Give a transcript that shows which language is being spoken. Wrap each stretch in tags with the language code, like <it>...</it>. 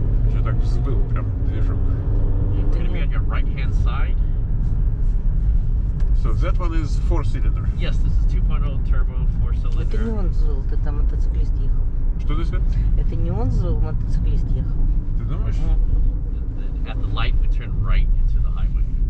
<ru>Что так взбыл прям движок.</ru> <en>You're going to be on your right-hand side. So that one is 4-cylinder. Yes, this is 2.0 turbo 4-cylinder.</en> <ru>Это не он взбыл, это там мотоциклист ехал. Что ты сказал? Это не он взбыл, мотоциклист ехал. Ты думаешь? Uh-huh.</ru> <en>At the light, we turn right into the highway.</en>